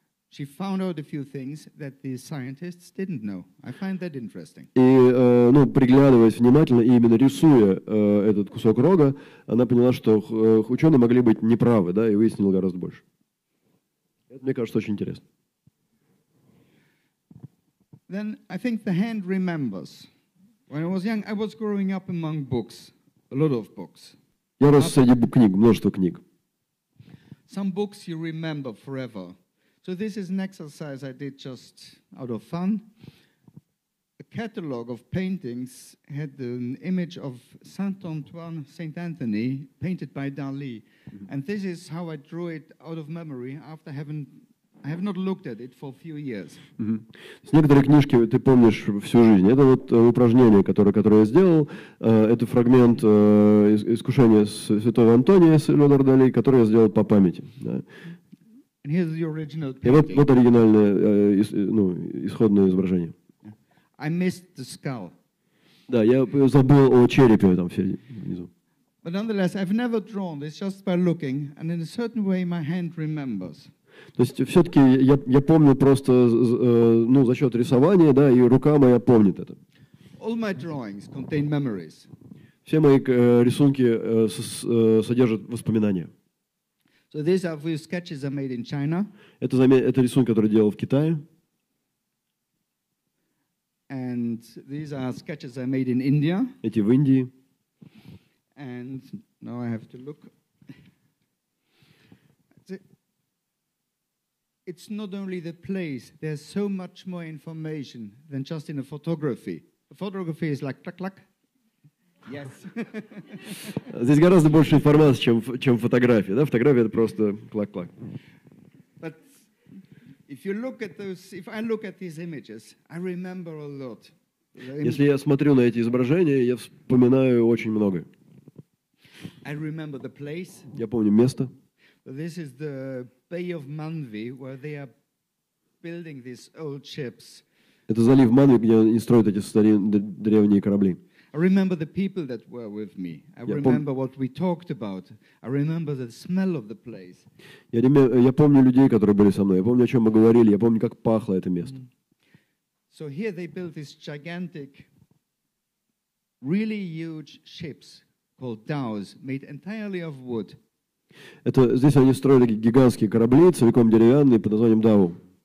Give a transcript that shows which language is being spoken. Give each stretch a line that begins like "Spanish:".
English: She found out a few things that the scientists didn't know. I find that interesting.
Russian: И, ну, приглядываясь внимательно и именно рисуя этот кусок рога, она поняла, что ученые могли быть неправы, да, и выяснила гораздо больше. Это, мне кажется, очень интересно.
English: Then I think the hand remembers. When I was young, I was growing up among books, a lot of books.
Russian: Я рос среди книг, множество книг.
English: Some books you remember forever. So this is an exercise I did just out of fun. A catalog of paintings had an image of Saint Antoine, Saint Anthony, painted by Dali. And this is how I drew it out of memory after I have not looked at it for a few years.
Russian: С некоторой книжки ты помнишь всю жизнь. Это вот упражнение, которое я сделал. Это фрагмент искушения святого Антония с Леонардо Дали, который я сделал по памяти.
English: And here's the original painting.
Russian: И вот оригинальное, исходное изображение.
English: I missed the skull.
Russian: Да, я забыл о черепе там внизу.
English: But nonetheless, I've never drawn this just by looking, and in a certain way my hand remembers.
Russian: То есть все-таки я помню просто за счет рисования, да, и рука моя помнит это.
English: All my drawings contain memories.
Russian: Все мои рисунки содержат воспоминания.
English: So these are few sketches I made in China.
Russian: Это рисунок, который делал в Китае.
English: And these are sketches I made in India.
Russian: Эти в Индии.
English: And now I have to look. It's not only the place. There's so much more information than just in a photography. A photography is like clack-clack. Yes.
Russian: Здесь гораздо больше информации, чем фотография. Да? Фотография — это просто клак-клак.
English: But if you look at those, if I look at these images, I remember a lot.
Russian: Если я смотрю на эти изображения, я вспоминаю очень много.
English: I remember the place.
Russian: Я помню место.
English: This is the Bay of Manvi, where they are building these old ships.
Russian: Это залив Манви, где они строят эти старинные древние корабли.
English: I remember the people that were with me. I remember what we talked about. I remember the smell of the place.
Russian: Я помню людей, которые были со мной. Я помню, о чем мы говорили. Я помню, как пахло это место.
English: So here they built this gigantic, really huge ships called dhows, made entirely of wood.
Russian: Это здесь они строили гигантские корабли, целиком деревянные, под названием дау.